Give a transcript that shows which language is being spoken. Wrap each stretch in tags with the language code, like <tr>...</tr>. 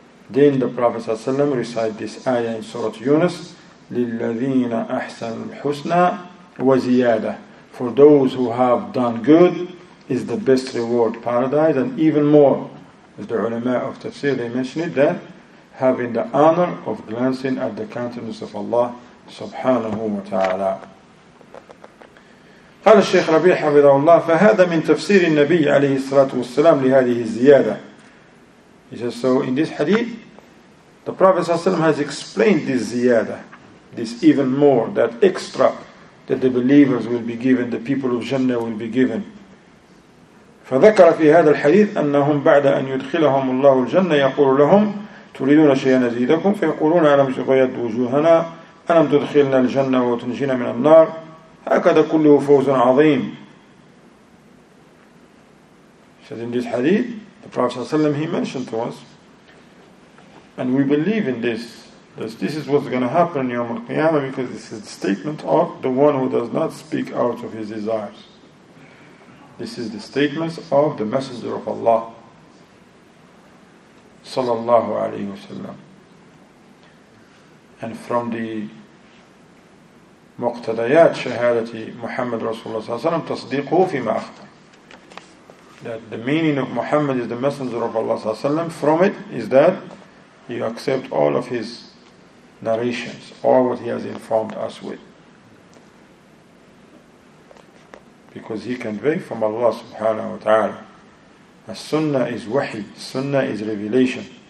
<en>Then the Prophet ﷺ recited this ayah in Surah Yunus,</en> <ar>لِلَّذِينَ أَحْسَنُ الْحُسْنَى وَزِيَادَةً.</ar> <en>For those who have done good is the best reward, paradise, and even more. As the ulama of tafsir, they mentioned it, that having the honor of glancing at the countenance of Allah subhanahu wa ta'ala.</en> <ar>قال الشيخ ربيع حفظه الله فهذا من تفسير النبي عليه الصلاة والسلام لهذه الزيادة.</ar> <en>He says, so in this hadith, the Prophet ﷺ has explained this ziyadah, this even more, that extra that the believers will be given, the people of Jannah will be given.</en> <ar>فذكر في هذا الحديث أنهم بعد أن يدخلهم الله الجنة يقول لهم تريدون شيئا نزيدكم فيقولون ألم تغيض وجوهنا ألم تدخلنا الجنة وتنجينا من النار هكذا كله فوز عظيم.</ar> <en>So in this hadith, the Prophet ﷺ, he mentioned to us, and we believe in this, that this is what's going to happen in Yawm al-Qiyamah, because this is the statement of the one who does not speak out of his desires. This is the statement of the Messenger of Allah sallallahu alayhi wa sallam. And from the</en> <ar>مقتضيات شهادة محمد رسول الله صلى الله عليه وسلم تصديقه فيما أخبر.</ar> <en>That the meaning of Muhammad is the Messenger of Allah صلى الله عليه وسلم, from it is that you accept all of his narrations, all what he has informed us with. Because he can vary from Allah subhanahu wa ta'ala. As-Sunnah is wahi, Sunnah is revelation.</en>